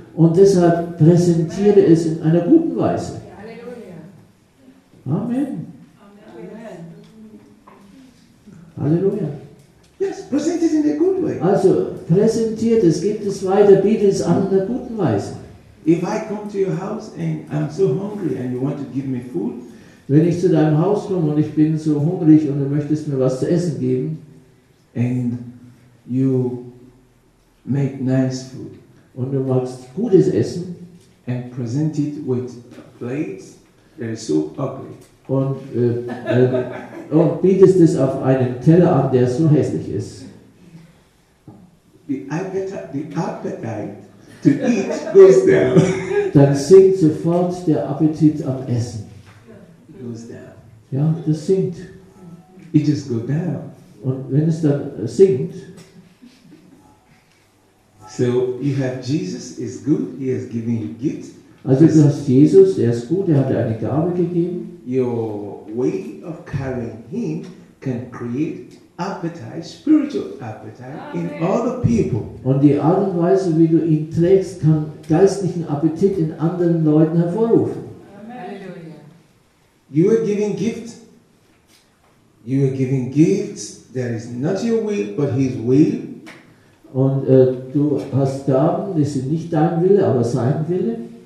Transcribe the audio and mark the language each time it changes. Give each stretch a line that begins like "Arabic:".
German: Und deshalb präsentiere es in einer guten Weise. Amen. Halleluja.
English: Yes, present it in a good way.
German: Also, präsentiert es, gibt es weiter, bietet es an in der guten Weise.
English: If I come to your house and I'm so hungry and you want to give me food,
German: wenn ich zu deinem Haus komme und ich bin so hungrig und du möchtest mir was zu essen geben,
English: and you make nice food,
German: und du machst gutes Essen,
English: and present it with plates that are so ugly,
German: und und bietest es auf einen Teller an, der so hässlich ist.
English: The appetite to eat goes down.
German: Dann sinkt sofort der Appetit am Essen.
English: It goes down.
German: Ja, das sinkt.
English: It just goes down.
German: Und wenn es dann sinkt.
English: So you have Jesus is good. He has given you gifts.
German: Also du hast Jesus, er ist gut, er hat dir eine Gabe gegeben.
English: Your way of carrying him can create appetite, spiritual appetite in other people.
German: Und die Art und Weise, wie du ihn trägst, kann geistlichen Appetit in anderen Leuten hervorrufen.
English: You are giving gifts. You are giving gifts. That is not your will, but his will.
German: Und du hast Gaben, das sind nicht dein Wille, aber sein Wille.